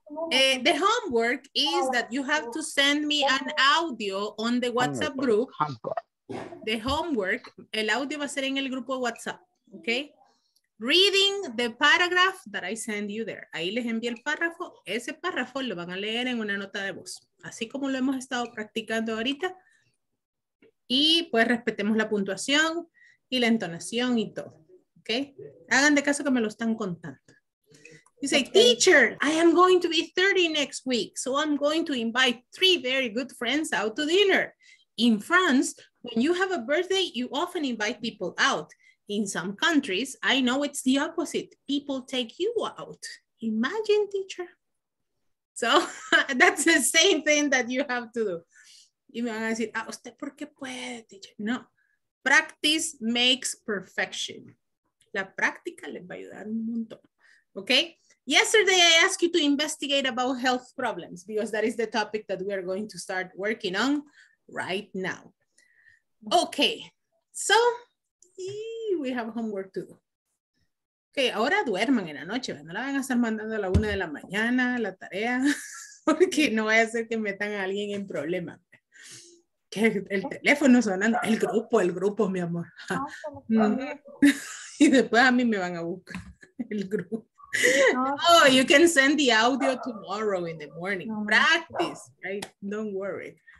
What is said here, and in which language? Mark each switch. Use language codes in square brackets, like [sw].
[en] The homework is that you have to send me an audio on the WhatsApp group. The homework, [es] el audio va a ser en el grupo WhatsApp, okay? [en] Reading the paragraph that I send you there. [es] Ahí les envié el párrafo. Ese párrafo lo van a leer en una nota de voz. Así como lo hemos estado practicando ahorita. Y pues respetemos la puntuación y la entonación y todo. ¿Ok? Hagan de caso que me lo están contando. [en] You say, teacher, I am going to be 30 next week. So I'm going to invite three very good friends out to dinner. In France, when you have a birthday, you often invite people out. In some countries, I know it's the opposite. People take you out. Imagine, teacher. So that's the same thing that you have to do. [es] Y me van a decir, ah, ¿usted por qué puede, teacher? No. [en] Practice makes perfection. [es] La práctica les va a ayudar un montón. [en] Okay? Yesterday, I asked you to investigate about health problems because that is the topic that we are going to start working on right now. Okay. So, we have homework to do. [es] Okay, ahora duerman en la noche, no la van a estar mandando a la una de la mañana, la tarea, porque no vaya a ser que metan a alguien en problema. Que el teléfono sonando, el grupo, mi amor. Y después a mí me van a buscar el grupo. [en] Oh, you can send the audio tomorrow in the morning. Practice, right? Don't worry.